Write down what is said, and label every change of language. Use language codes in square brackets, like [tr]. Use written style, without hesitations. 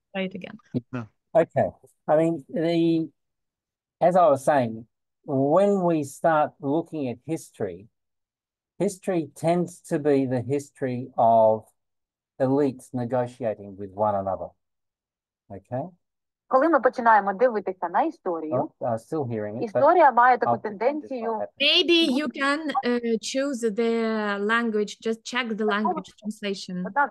[en] say it again. No. Okay. I mean, as I was saying, when we start looking at history, history tends to be the history of elites negotiating with one another. Okay? [uk] Коли ми починаємо дивитися на історію, історія має таку тенденцію. [en] Maybe you can choose the language, just check the language translation.